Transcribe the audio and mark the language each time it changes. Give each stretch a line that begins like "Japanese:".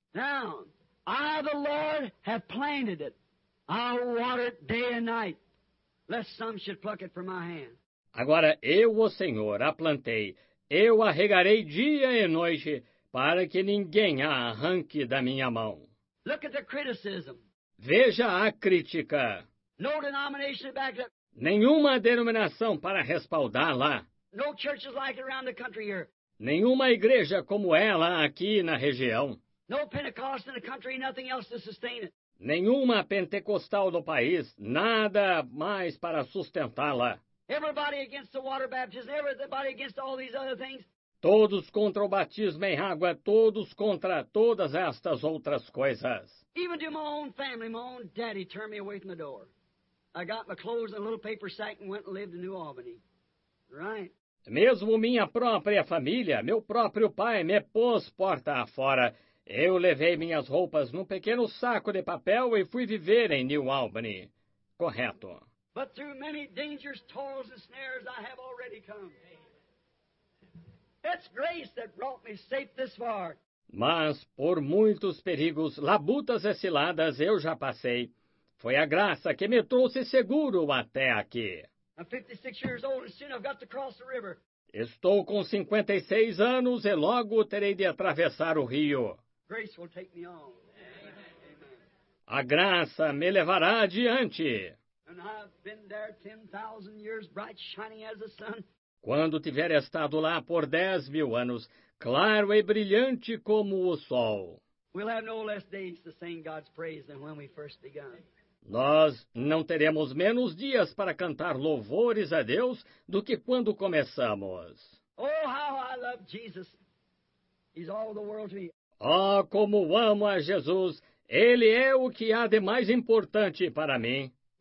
English: Now, I, the Lord, have planted it. I'll water it day and night, lest some should pluck it from my hand.
Portuguese: Agora, eu, o Senhor, a plantei. Eu a regarei dia e noite, para que ninguém a arranque da minha mão.
English: Look at the criticism.
Portuguese: Veja a crítica.
English: No denomination back up.
Portuguese: Nenhuma denominação para respaldá-la.
English: No churches like it around the country here.
Portuguese: Nenhuma igreja como ela aqui na região.
English: No Pentecost in the country, nothing else to sustain it.
Portuguese: Nenhuma pentecostal no país, nada mais para sustentá-la.
English: Everybody against the water baptism, everybody against all these other things.
Portuguese: Todos contra o batismo em água, todos contra todas estas outras coisas.
English: Even to my own family, my own daddy turned me away from the door. I got my clothes in a little paper sack and went and lived in New Albany. Right.
Portuguese: Mesmo minha própria família, meu próprio pai me pôs porta afora. Eu levei minhas roupas num pequeno saco de papel e fui viver em New Albany. Correto.
English: But through many dangers, toils, and snares, I have already come. It's grace that brought me safe this far.
Portuguese: Mas por muitos perigos, labutas e ciladas, eu já passei. Foi a graça que me trouxe seguro até aqui.
English: I'm 56 years old and soon I've got to cross the river.
Portuguese: Estou com 56 anos e logo terei de atravessar o rio.
English: Grace will take me on. Amen.
Portuguese: A graça me levará adiante.
English: And I've been there 10,000 years, bright shining as the sun.
Portuguese: Quando tiver estado lá por 10,000 anos, claro e brilhante como o sol.
English: We'll have no less days to sing God's praise than when we first began.
Portuguese: Nós não teremos menos dias para cantar louvores a Deus do que quando começamos.
English: Oh, how I love Jesus. He's all the world to me.
Portuguese: Oh, como amo a Jesus. Ele é o que há de mais importante para mim.